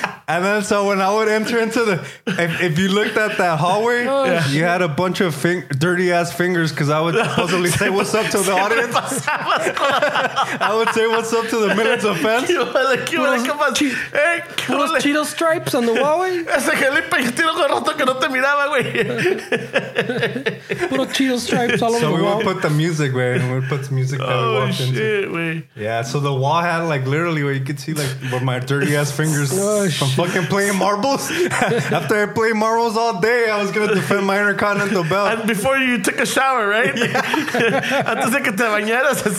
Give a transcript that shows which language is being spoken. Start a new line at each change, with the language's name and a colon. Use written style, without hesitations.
English: And then so when I would enter into the, if you looked at that hallway, you had a bunch of dirty ass fingers because I would supposedly say what's up to the audience. I would say what's up to the millions of fans. Those Cheeto stripes on the hallway?
Spanish: Ese que le pegué tiro con rato que no te miraba, güey.
English: Puro Cheeto stripes all over the wall. So we would put the music, güey. We would put the music that we walked into. Oh, shit,
Spanish: güey.
English: Yeah, so the wall had like literally where you could see like where my dirty ass fingers. Fucking playing marbles. After I played marbles all day, I was gonna defend my Intercontinental belt. And before you took a shower, right?
Spanish: Antes de que te bañaras.